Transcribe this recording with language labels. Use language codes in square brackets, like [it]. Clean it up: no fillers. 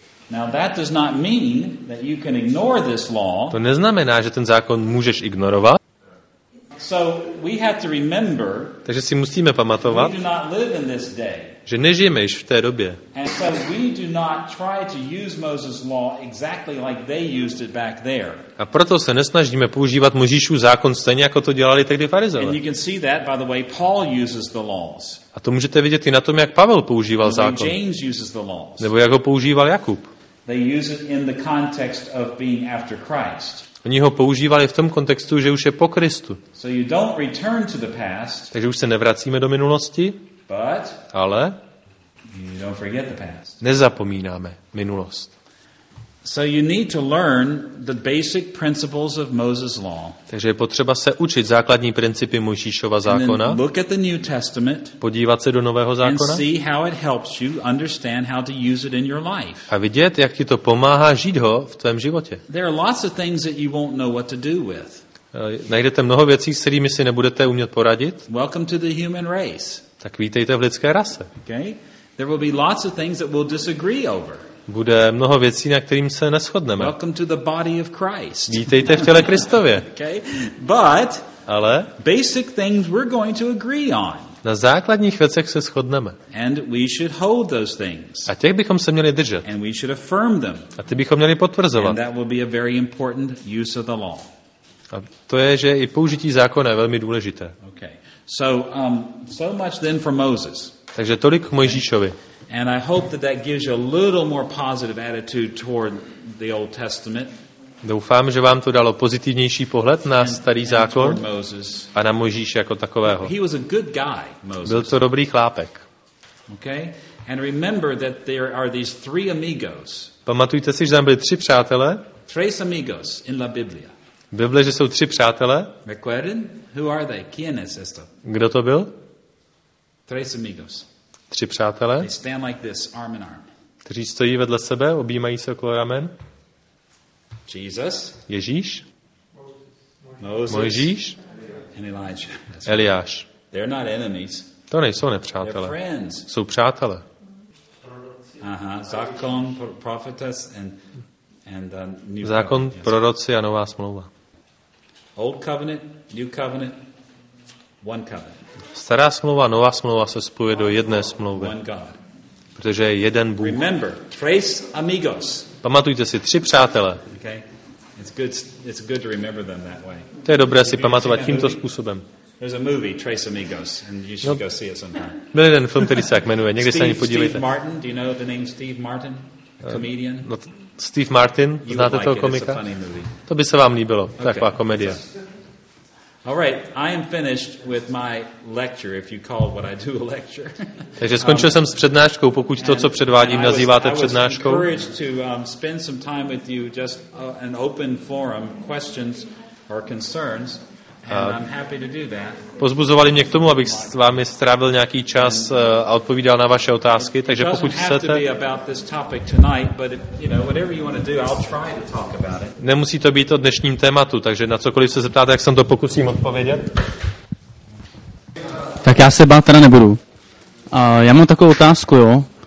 [en] Now that does not mean that you can ignore this law. [cs] To neznamená, že ten zákon můžeš ignorovat. [en] So we have to remember. [cs] Takže si musíme pamatovat. [en] We do not live in this day. [cs] Že nežijeme již v té době. [en] And so we do not try to use Moses' law exactly like they used it back there. [cs] A proto se nesnažíme používat Mojžíšův zákon stejně jako to dělali tehdy farizeové. [en] And you can see that by the way Paul uses the laws. [cs] A to můžete vidět i na tom, jak Pavel používal zákon. [en] James uses the laws. [cs] Nebo jak ho používal Jakub. [en] They use it in the context of being after Christ. [cs] Oni ho používali v tom kontextu, že už je po Kristu. [en] So you don't return to the past. [cs] Takže už se nevracíme do minulosti. [en] But [cs] ale [en] you don't forget the past. [cs] Nezapomínáme minulost. [en] So you need to learn the basic principles of Moses' law. [cs] Takže je potřeba se učit základní principy Mojžíšova zákona. [en] Look at the New Testament. [cs] Podívat se do Nového zákona. [en] And see how it helps you understand how to use it in your life. [cs] A vidět, jak ti to pomáhá žít ho v tvém životě. [en] There are lots of things that you won't know what to do with. [cs] Najdete mnoho věcí, s kterými si nebudete umět poradit. [en] Welcome to the human race. [cs] Tak vítejte v lidské rase. [en] Okay? There will be lots of things that we'll disagree over. [cs] Bude mnoho věcí, na kterým se neshodneme. [en] Welcome to the body of Christ. [cs] Vítejte v těle Kristově. [en] Okay? But [cs] ale [en] basic things we're going to agree on. [cs] Na základních věcech se shodneme. [en] And we should hold those things. [cs] A těch bychom se měli držet. [en] And we should affirm them. [cs] A ty bychom měli potvrzovat. [en] And that will be a very important use of the law. [cs] A to je, že i použití zákona je velmi důležité. [en] Okay. So much then for Moses. [cs] Takže tolik k Mojžíšovi. [en] And I hope that that gives you a little more positive attitude toward the Old Testament. [cs] Doufám, že vám to dalo pozitivnější pohled na starý zákon [en] Moses. [cs] A na Mojžíše jako takového. [en] He was a good guy, Moses. [cs] Byl to dobrý chlápek. [en] Okay? And remember that there are these three amigos. [cs] Pamatujte si, že tam byly tři přátelé. [es] Tres amigos in la Biblia. [cs] Bible, že jsou tři přátelé. [es] Recuerden? [en] Who are they? [es] ¿Quién es esto? [cs] Kdo to byl? [es] Tres amigos. [cs] Tři přátelé, [en] they stand like this, arm in arm. [cs] Kteří stojí vedle sebe, objímají se okolo ramen. [en] Jesus. [cs] Ježíš. [en] Moses. [cs] Mojžíš. [en] And Elijah. [cs] Eliáš. [en] They're not enemies. [cs] To nejsou nepřátelé. [en] They're friends. [cs] Jsou přátelé. [en] Aha, zákon, prophetess and the new [cs] zákon, proroci a nová smlouva. [en] Old covenant, new covenant, one covenant. [cs] Stará smlouva, nová smlouva se spojuje do jedné smlouvy. Protože je jeden Bůh. [en] Remember, [es] tres amigos. [cs] Pamatujte si tři přátele. [en] Okay. It's good to remember them that way. [cs] To je dobré si pamatovat tímto způsobem. [en] There's a movie, Tres Amigos, and you should go see it sometime. [cs] Byl jeden film, který se tak jmenuje. Někdy se na něj podívejte. [en] Steve Martin, do you know the name Steve Martin? A comedian? [cs] No, Steve Martin, znáte toho komika? [en] It's a funny movie. [cs] To by se vám líbilo, taková komedie. [en] All right, I am finished with my lecture, if you call what I do a lecture. [cs] Takže skončil jsem s přednáškou, pokud to, co předvádím, nazýváte přednáškou. [en] I was encouraged to spend some time with you, just an open forum, questions or concerns, and I'm happy to do that. [cs] Pozbuzovali mě k tomu, abych s vámi strávil nějaký čas a odpovídal na vaše otázky, takže pokud chcete. [en] It doesn't have to be about this topic tonight, but you know, whatever you want to do, I'll try to talk about it. [cs] Nemusí to být o dnešním tématu, takže na cokoliv se zeptáte, jak jsem to pokusím odpovědět. Tak já se bát teda nebudu. Já mám takovou otázku, jo.